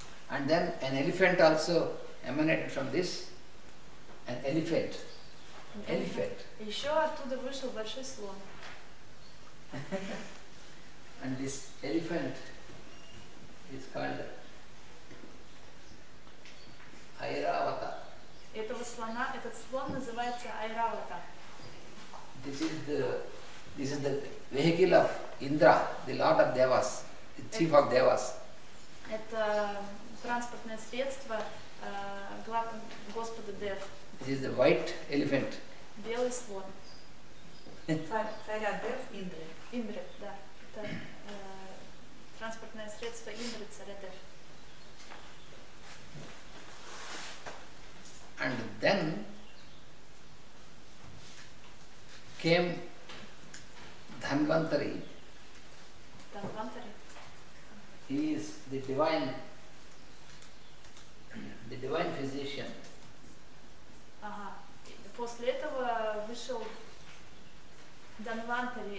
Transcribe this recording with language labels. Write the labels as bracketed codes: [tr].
[en] And then an elephant also emanated from this. An elephant. [ru] Еще оттуда вышел большой слон. [en] And this elephant is called Airavata. [ru] Этого слона, этот слон называется Airavata. [en] This is the vehicle of Indra, the lord of Devas, the chief of Devas. [ru] Это транспортное средство главного господа Дев. [en] This is the white elephant. [ru] Белый слон. Царя Дев Индры. Индры, да. Это транспортное средство Индры, царя Дев. [en] And then came Dhanvantari. Dhanvantari. He is the divine physician. [ru] Ага. После этого вышел Dhanvantari.